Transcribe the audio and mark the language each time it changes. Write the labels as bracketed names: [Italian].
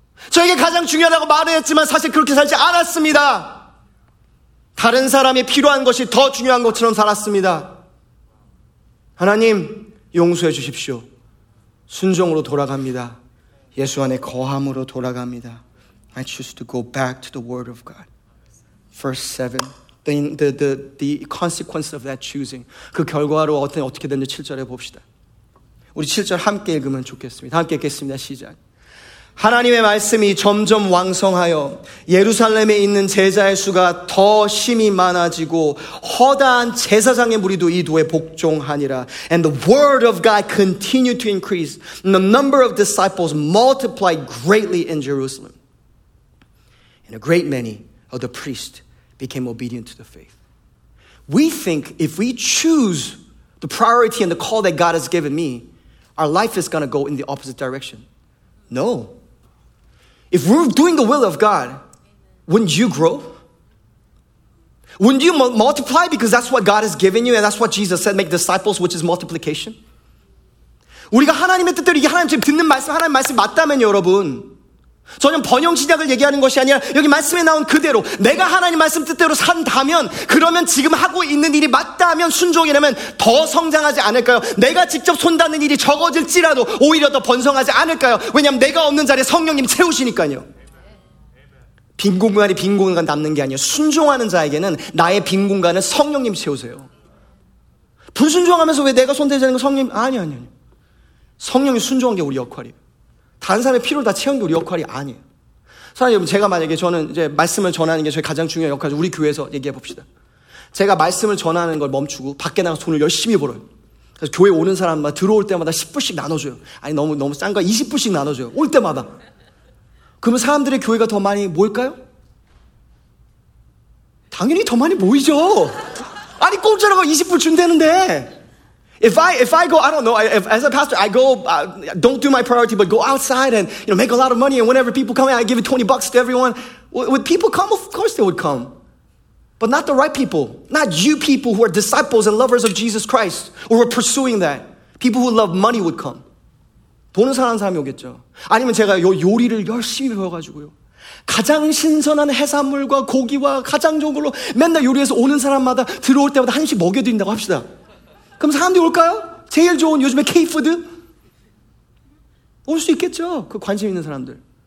[Korean] 저에게 가장 중요하다고 말했지만 사실 그렇게 살지 않았습니다. 다른 사람이 필요한 것이 더 중요한 것처럼 살았습니다. 하나님, 용서해 주십시오. 순종으로 돌아갑니다. 예수 안에 거함으로 돌아갑니다. [English] I choose to go back to the word of God. Verse 7. The consequence of that choosing. [Korean] 그 결과로 어떻게 되는지 7절에 봅시다. 우리 7절 함께 읽으면 좋겠습니다. 함께 읽겠습니다. 시작. 하나님의 말씀이 점점 왕성하여 예루살렘에 있는 제자의 수가 더 심히 많아지고 허다한 제사장의 무리도 이 도에 복종하니라. [English] And the word of God continued to increase. And the number of disciples multiplied greatly in Jerusalem. And a great many of the priests became obedient to the faith. We think if we choose the priority and the call that God has given me, our life is going to go in the opposite direction. No. If we're doing the will of God, wouldn't you grow? Wouldn't you multiply because that's what God has given you and that's what Jesus said, make disciples, which is multiplication? [Korean] 우리가 하나님의 뜻대로 이게 하나님 지금 듣는 말씀, 하나님 말씀 맞다면 여러분, 저는 번영신약을 얘기하는 것이 아니라 여기 말씀에 나온 그대로 내가 하나님 말씀 뜻대로 산다면 그러면 지금 하고 있는 일이 맞다면 순종이라면 더 성장하지 않을까요? 내가 직접 손 닿는 일이 적어질지라도 오히려 더 번성하지 않을까요? 왜냐하면 내가 없는 자리에 성령님 채우시니까요. 빈 공간이 빈 공간 남는 게 아니에요. 순종하는 자에게는 나의 빈 공간을 성령님 채우세요. 불순종하면서 왜 내가 손 대자는 거 성령님? 아니. 성령이 순종한 게 우리 역할이에요. 다른 사람의 피로를 다 채운 게 우리 역할이 아니에요. 사장님 여러분, 제가 만약에 저는 이제 말씀을 전하는 게 저희 가장 중요한 역할이죠. 우리 교회에서 얘기해 봅시다. 제가 말씀을 전하는 걸 멈추고 밖에 나가서 돈을 열심히 벌어요. 그래서 교회 오는 사람마다 들어올 때마다 10불씩 나눠줘요. 아니 너무 싼 거 20불씩 나눠줘요. 올 때마다. 그러면 사람들의 교회가 더 많이 모일까요? 당연히 더 많이 모이죠. 아니 공짜라고 20불 준대는데. [English] If I go, I don't know, if, as a pastor, I go, don't do my priority, but go outside and, you know, make a lot of money, and whenever people come in, I give $20 to everyone. Would people come? Of course they would come. But not the right people. Not you people who are disciples and lovers of Jesus Christ, or who are pursuing that. People who love money would come. [Korean] 돈을 사는 사람이 오겠죠. 아니면 제가 요리를 열심히 배워가지고요. 가장 신선한 해산물과 고기와 가장 좋은 걸로 맨날 요리해서 오는 사람마다 들어올 때마다 한식 먹여드린다고 합시다. 그럼 사람들이 올까요? 제일 좋은 요즘에 K-푸드? 올 수 있겠죠. 그 관심 있는 사람들.